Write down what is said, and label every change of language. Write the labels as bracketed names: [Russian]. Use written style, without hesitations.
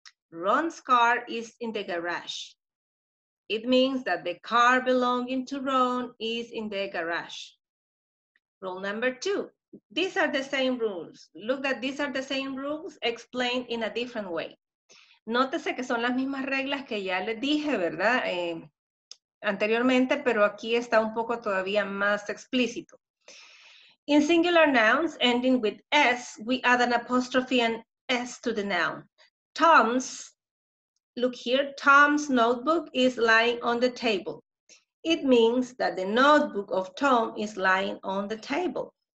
[English] Ron's car is in the garage. It means that the car belonging to Ron is in the garage. Rule number two. These are the same rules. Look that these are the same rules explained in a different way. [Spanish] Nótese que son las mismas reglas que ya les dije, ¿verdad? Anteriormente, pero aquí está un poco todavía más explícito. [English] In singular nouns ending with S, we add an apostrophe and S to the noun. Tom's, look here, Tom's notebook is lying on the table. It means that the notebook of Tom is lying on the table.